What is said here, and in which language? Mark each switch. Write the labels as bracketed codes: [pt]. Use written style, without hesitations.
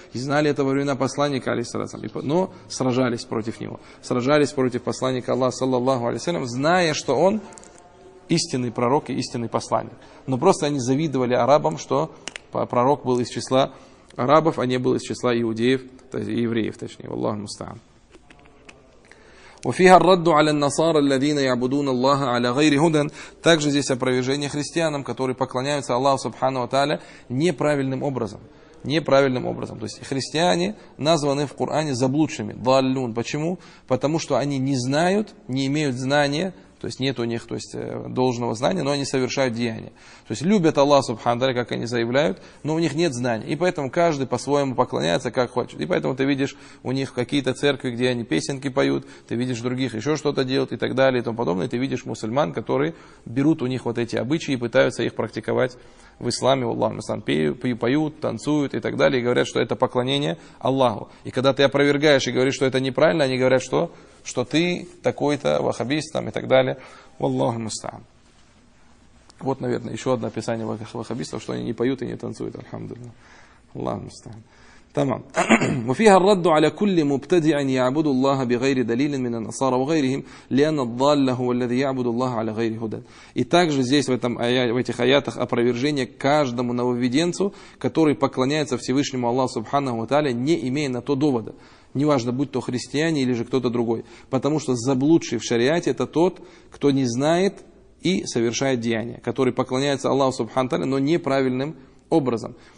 [ru] И знали это во времена посланника, алейхиссалям, но сражались против него. Сражались против посланника Аллаха, саллаллаху алейхиссалям, зная, что он истинный пророк и истинный посланник. Но просто они завидовали арабам, что пророк был из числа арабов, а не был из числа иудеев, то есть евреев, точнее, Аллаху мустаан. [ar] وفيها الرد على النصارى الذين يعبدون الله على غير هدى. [ru] Также здесь опровержение христианам, которые поклоняются Аллаху Субхану ва Тааля неправильным образом. Неправильным образом. То есть христиане названы в Коране заблудшими. Даллун. Почему? Потому что они не знают, не имеют знания, то есть нет у них, то есть должного знания, но они совершают деяния. То есть любят Аллаха Субхану ва Тааля, как они заявляют, но у них нет знания. И поэтому каждый по-своему поклоняется, как хочет. И поэтому ты видишь у них какие-то церкви, где они песенки поют, ты видишь других еще что-то делают и так далее и тому подобное. И ты видишь мусульман, которые берут у них вот эти обычаи и пытаются их практиковать в исламе. Аллах мусульман поют, танцуют и так далее. И говорят, что это поклонение Аллаху. И когда ты опровергаешь и говоришь, что это неправильно, они говорят, что ты такой-то ваххабист там, и так далее. Аллаху мусульман. Вот, наверное, еще одно описание ваххабистов, что они не поют и не танцуют. Алхамдулилла. Аллаху мустаан. Тамам. [ar] وفيها الرد على كل مبتدع يعبد الله بغير دليل من النصارى وغيرهم لأن الضال هو الذي يعبد الله على غير هدى. [ru] И также здесь в этих аятах опровержение каждому нововведенцу, который поклоняется Всевышнему Аллаху Субханаху ва Тааля, не имея на то довода. Неважно, будь то христиане или же кто-то другой. Потому что заблудший в шариате – это тот, кто не знает и совершает деяния, который поклоняется Аллаху Субхану Таля, но неправильным образом.